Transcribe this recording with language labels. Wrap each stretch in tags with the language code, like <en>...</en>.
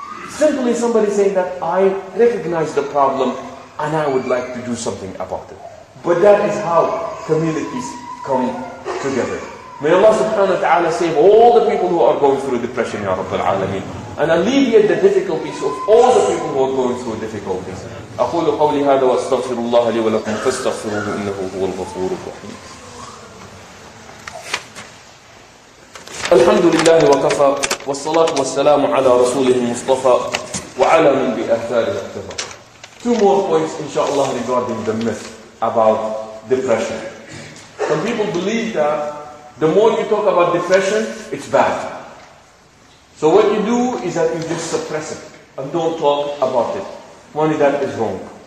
<en>Simply somebody saying that I recognize the problem and I would like to do something about it. But that is how communities come together. May Allah subhanahu wa ta'ala save all the people who are going through depression, Ya Rabbal Alameen, and alleviate the difficulties of all the people who are going through difficulties.</en> <ar>أقول قولي هذا وأستغفر الله لي ولكم فاستغفروه إنه هو الغفور الرحيم. الحمد لله وكفى والصلاة والسلام على رسوله المصطفى وعلى من بأثاره اقتفى.</ar> <en>Two more points إن شاء الله regarding the myth about depression. Some people believe that the more you talk about depression, it's bad. So what you do is that you just suppress it and don't talk about it. Money, that is wrong.</en>